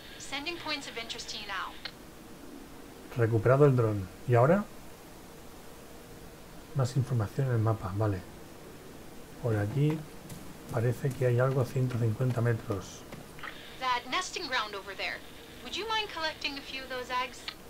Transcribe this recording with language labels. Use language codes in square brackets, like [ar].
[en] Sending points of interest to you now. [es] Recuperado el dron. ¿Y ahora? Más información en el mapa, vale. Por aquí parece que hay algo a 150 metros. [en] That nesting ground over there. Would you mind collecting a few of those eggs?